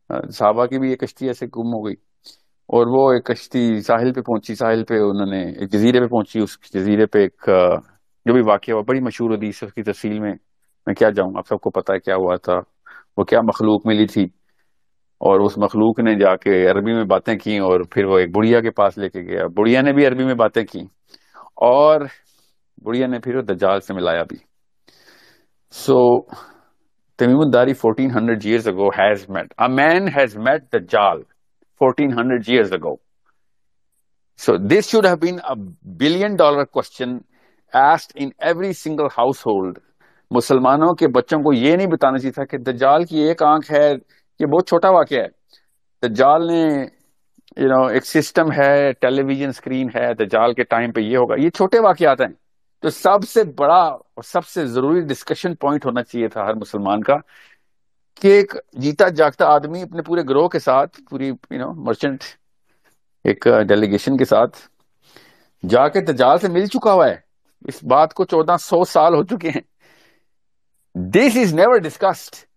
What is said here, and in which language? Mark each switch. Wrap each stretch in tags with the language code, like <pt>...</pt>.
<ur>صحابہ کی بھی یہ کشتی ایسے گم ہو گئی, اور وہ ایک کشتی ساحل پہ پہنچی, ساحل پہ انہوں نے ایک جزیرے پہ پہنچی, اس جزیرے پہ ایک جو بھی واقعہ ہوا بڑی مشہور حدیث کی تفصیل میں میں کیا جاؤں, آپ سب کو پتا ہے کیا ہوا تھا, وہ کیا مخلوق ملی تھی اور اس مخلوق نے جا کے عربی میں باتیں کی اور پھر وہ ایک بڑھیا کے پاس لے کے گیا, بڑھیا نے بھی عربی میں باتیں کی اور بڑھیا نے پھر وہ دجال سے ملایا بھی.</ur> <en>So تمیم الداری 1400 years ago has met, a man has met دجال 1400 years ago. So this should have been a billion dollar question asked in every single household.</en> <ur>مسلمانوں کے بچوں کو یہ نہیں بتانا چاہیے تھا کہ دجال کی ایک آنکھ ہے, یہ بہت چھوٹا واقعہ ہے, دجال نے یو نو ایک سسٹم ہے, ٹیلی ویژن اسکرین ہے, دجال کے ٹائم پہ یہ ہوگا, یہ چھوٹے واقعات ہیں. تو سب سے بڑا اور سب سے ضروری ڈسکشن پوائنٹ ہونا چاہیے تھا ہر مسلمان کا کہ ایک جیتا جاگتا آدمی اپنے پورے گروہ کے ساتھ, پوری یو نو مرچنٹ ایک ڈیلیگیشن کے ساتھ جا کے دجال سے مل چکا ہوا ہے, اس بات کو 1400 سال ہو چکے ہیں,</ur> <en>This is never discussed.</en>